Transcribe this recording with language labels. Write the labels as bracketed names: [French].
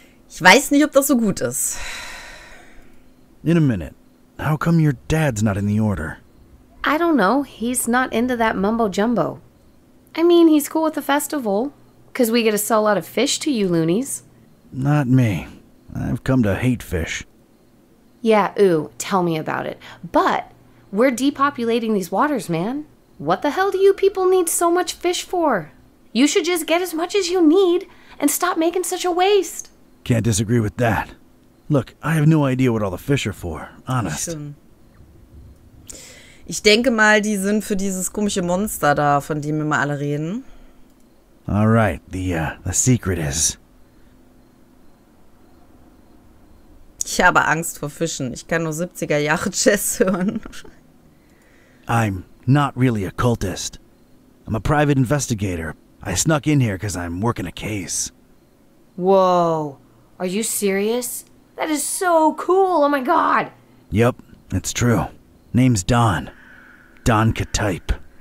[German] Ich weiß nicht, ob das so gut ist. [English] In a minute. How come your dad's not in the order? I don't know. He's not into that mumbo-jumbo. I mean, he's cool with the festival. Because we get to sell a lot of fish to you loonies. Not me. I've come to hate fish. Yeah, ooh, tell me about it. But we're depopulating these waters, man. What the hell do you people need so much fish for? You should just get as much as you need and stop making such a waste. Can't disagree with that. Look, I have no idea what all the fish are for, honest. [German] Ich denke mal, die sind für dieses komische Monster da, von dem immer alle reden. [English] All right, the secret is... [German] Ich habe Angst vor Fischen. Ich kann nur 70er Jahre Jazz hören. [English] I'm not really a cultist. I'm a private investigator. I snuck in here because I'm working a case. Whoa, are you serious? That is so cool, oh my god! Yep, it's true. Name's Don. Don Katype.